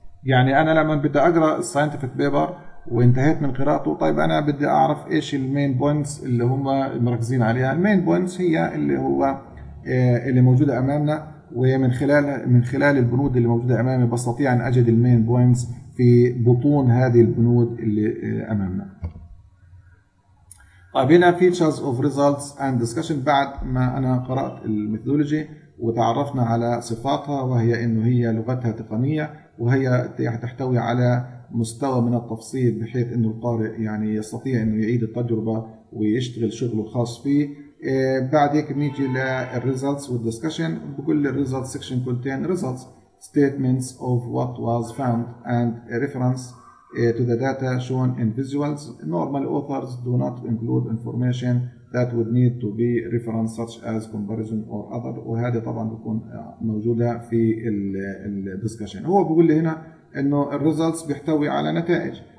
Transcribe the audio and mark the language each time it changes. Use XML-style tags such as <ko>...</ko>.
<ar>يعني انا لما بدي اقرا الساينتفك بيبر وانتهيت من قراءته، طيب انا بدي اعرف ايش المين بوينتس اللي هم مركزين عليها. المين بوينتس هي اللي هو اللي موجوده امامنا، ومن خلال البنود اللي موجوده امامي بستطيع ان اجد المين بوينتس في بطون هذه البنود اللي امامنا. طيب هنا</ar> <en>features of results and discussion.</en> <ar>بعد ما انا قرأت الميثودولوجي وتعرفنا على صفاتها وهي انه هي لغتها تقنية وهي تحتوي على مستوى من التفصيل بحيث انه القارئ يعني يستطيع انه يعيد التجربة ويشتغل شغله الخاص فيه. بعد هيك نيجي للresults والdiscussion. بكل</ar> <en>results section contain results statements of what was found and a reference to the data shown in visuals. normal authors do not include information that would need to be referenced such as comparison or other.</en> <ar>وهذا طبعا بيكون موجودة في الـ discussion. هو بيقول لي هنا انه الـ results بيحتوي على نتائج،</ar>